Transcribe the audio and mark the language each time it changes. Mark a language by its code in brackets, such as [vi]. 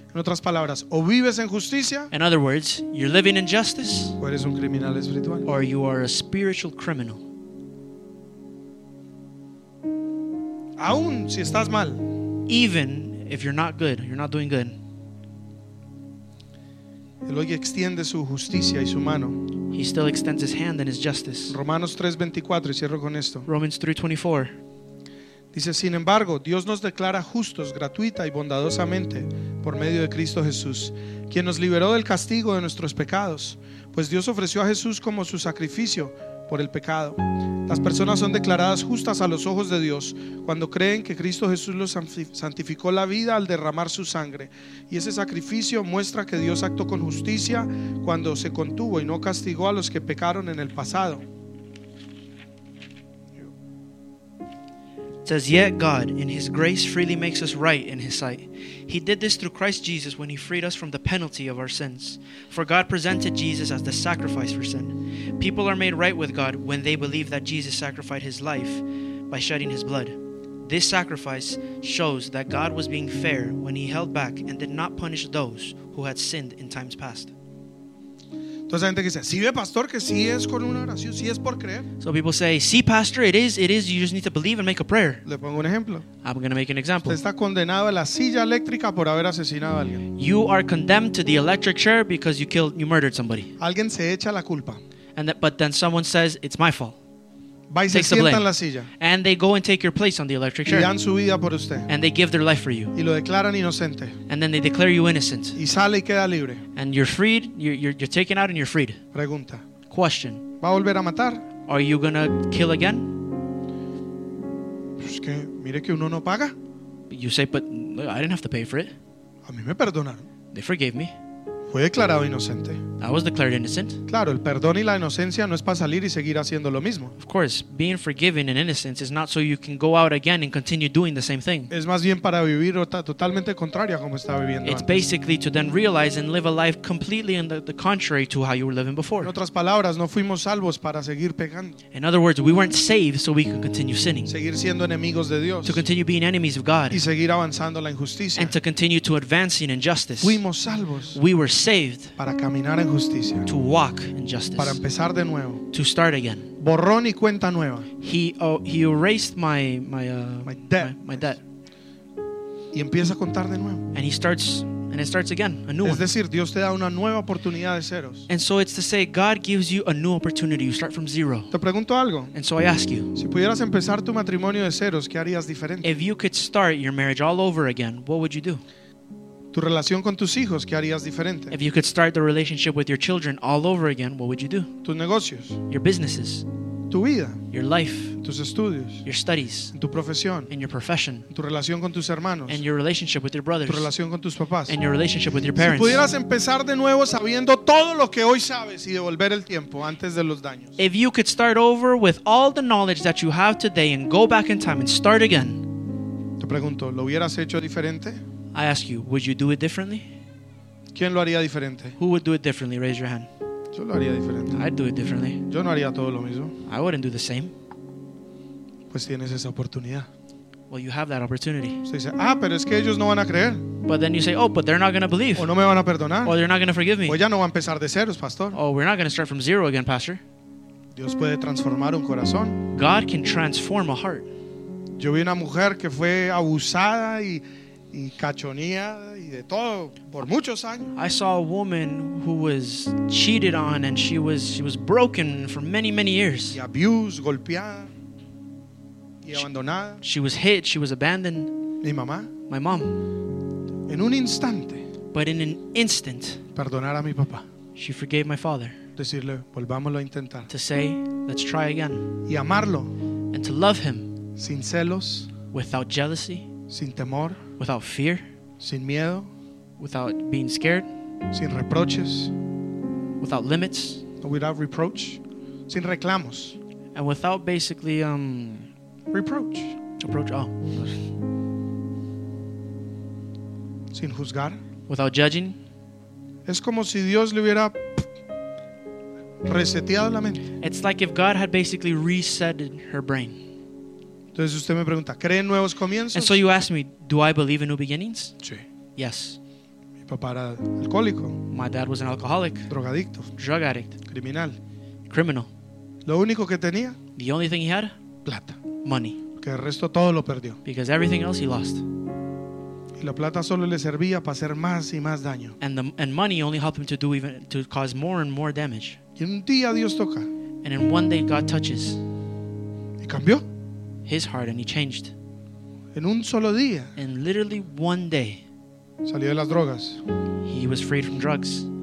[es] En otras palabras, o vives en justicia, [en] in other words, you're living in justice, [es] o eres un criminal espiritual, [en] or you are a spiritual criminal. [es] Aún si estás mal, [en] even if you're not good, you're not doing good. [es] Él hoy extiende su justicia y su mano. [en] He still extends his hand and his justice. [es] Romanos 3:24, y cierro con esto. [en] Romans 3:24. [es] Dice, sin embargo, Dios nos declara justos gratuita y bondadosamente por medio de Cristo Jesús, quien nos liberó del castigo de nuestros pecados, pues Dios ofreció a Jesús como su sacrificio por el pecado. Las personas son declaradas justas a los ojos de Dios cuando creen que Cristo Jesús los santificó la vida al derramar su sangre, y ese sacrificio muestra que Dios actuó con justicia cuando se contuvo y no castigó a los que pecaron en el pasado. [en] It says, yet God, in His grace, freely makes us right in His sight. He did this through Christ Jesus when He freed us from the penalty of our sins. For God presented Jesus as the sacrifice for sin. People are made right with God when they believe that Jesus sacrificed His life by shedding His blood. This sacrifice shows that God was being fair when He held back and did not punish those who had sinned in times past. [es] Entonces hay gente que dice, sí ve pastor que sí es con una oración, sí es por creer. [en] So people say, [es] sí pastor, [en] it is, you just need to believe and make a prayer. [es] Le pongo un ejemplo. [en] I'm going to make an example. [es] Usted está condenado a la silla eléctrica por haber asesinado a alguien. [en] You are condemned to the electric chair because you murdered somebody. [es] Alguien se echa la culpa. [en] But then someone says, it's my fault. [es] Va y se sienta en la silla. [en] And they go and take your place on the electric chair. [es] Y dan su vida por usted. [en] And they give their life for you. [es] Y lo declaran inocente. [en] And then they declare you innocent. [es] Y sale y queda libre. [en] And you're freed. You're taken out and you're freed. [es] Pregunta. [en] Question. [es] ¿Va a volver a matar? [en] Are you gonna kill again? [es] Pues que mire que uno no paga. [en] You say, but look, I didn't have to pay for it. [es] A mí me perdonaron. [en] They forgave me. [es] Fue declarado inocente. [en] I was declared innocent. [es] Claro, el perdón y la inocencia no es para salir y seguir haciendo lo mismo. [en] Of course, being forgiven and innocent is not so you can go out again and continue doing the same thing. [es] Es más bien para vivir totalmente contraria como estaba viviendo. [en] It's basically to then realize and live a life completely in the contrary to how you were living before. [es] En otras palabras, no fuimos salvos para seguir pecando. [en] In other words, we weren't saved so we could continue sinning. [es] Seguir siendo enemigos de Dios. [en] To continue being enemies of God. [es] Y seguir avanzando la injusticia. [en] And to continue to advancing injustice. [es] Fuimos salvos. [en] We were saved. [es] Para caminar en justicia. [en] To walk in justice. [es] Para empezar de nuevo. [en] To start again. [es] Borrón y cuenta nueva. [en] He erased my debt. [es] Y empieza a contar de nuevo. [en] And it starts again, a new one. [es] Es decir, Dios te da una nueva oportunidad de ceros. [en] And so it's to say God gives you a new opportunity. You start from zero. [es] Te pregunto algo. [en] And so I ask you. [es] Si pudieras empezar tu matrimonio de ceros, ¿qué harías diferente? [en] If you could start your marriage all over again, what would you do? [es] Tu relación con tus hijos, ¿qué harías diferente? [en] If you could start the relationship with your children all over again, what would you do? [es] Tus negocios. [en] Your businesses. [es] Tu vida. [en] Your life. [es] Tus estudios. [en] Your studies. [es] En tu profesión. [en] In your profession. [es] Tu relación con tus hermanos. [en] And your relationship with your brothers. [es] Tu relación con tus papás. [en] And your relationship with your parents. [es] Si pudieras empezar de nuevo sabiendo todo lo que hoy sabes y devolver el tiempo antes de los daños. [en] If you could start over with all the knowledge that you have today and go back in time and start again. [es] Te pregunto, ¿lo hubieras hecho diferente? [en] I ask you, would you do it differently? [es] ¿Quién lo haría diferente? [en] Who would do it differently? Raise your hand. [es] Yo lo haría diferente. [en] I'd do it differently. [es] Yo no haría todo lo mismo. [en] I wouldn't do the same. [es] Pues tienes esa oportunidad. [en] Well, you have that opportunity. [es] Se dice, pero es que ellos no van a creer. [en] But then you say, oh, but they're not going to believe. [es] O no me van a perdonar. [en] Or they're not going to forgive me. [es] O ya no va a empezar de ceros, pastor. [en] Oh, we're not going to start from zero again, pastor. [es] Dios puede transformar un corazón. [en] God can transform a heart. [es] Yo vi una mujer que fue abusada y cachonía y de todo por muchos años. [en] I saw a woman who was cheated on and she was broken for many, many years. [es] Y [en] abused, [es] golpeada y abandonada. [en] She was hit, she was abandoned. [es] Mi mamá. [en] My mom. [es] En un instante. [en] But in an instant. [es] Perdonar a mi papá. [en] She forgave my father. [es] Decirle, volvámoslo a intentar. [en] To say, let's try again. [es] Y amarlo. [en] And to love him. [es] Sin celos. [en] Without jealousy. [es] Sin temor. [en] Without fear, [es] sin miedo, [en] without being scared, [es] sin reproches, [en] without limits, without reproach, [es] sin reclamos, [en] and without basically reproach. Approach. Oh. [es] Sin juzgar, [en] without judging. [es] Es como si Dios le hubiera reseteado la mente. [en] It's like if God had basically resetted her brain. [es] Entonces usted me pregunta, ¿cree en nuevos comienzos? [en] And so you ask me, do I believe in new beginnings? [es] Sí. [en] Yes. [es] papá era alcohólico. [en] My dad was an alcoholic. [es] Drogadicto. [en] Drug addict. [es] Criminal. [en] Criminal. [es] Lo único que tenía. [en] The only thing he had. [es] Plata. [en] Money. [es] Que el resto todo lo perdió. [en] Because everything else he lost. [es] Y la plata solo le servía para hacer más y más daño. [en] And money only helped him to cause more and more damage. [es] Y un día Dios toca. [en] And in one day God touches. [es] Y cambió. [en] His heart and he changed. [es] En un solo día. [en] In literally one day. [es] Salió de las drogas. [en] He was freed from drugs.